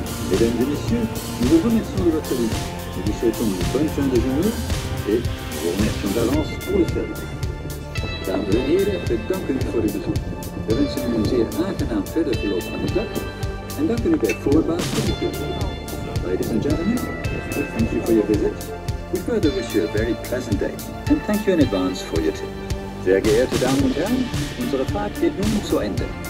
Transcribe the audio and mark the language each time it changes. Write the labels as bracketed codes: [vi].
[fr] Mesdames et messieurs, nous vous remercions de votre visite. Nous vous souhaitons une bonne fin de journée et nous vous remercions d'avance pour le service. [nl] Dames et heren, bedankt voor uw bezoek. We wensen u een zeer aangenaam verder verloop van de dag en danken u bij voorbaat voor de keer. [en] Ladies and gentlemen, we thank you for your visit. We further wish you a very pleasant day and thank you in advance for your tip. [de] Sehr geehrte Damen und Herren, unsere Fahrt geht nun zu Ende.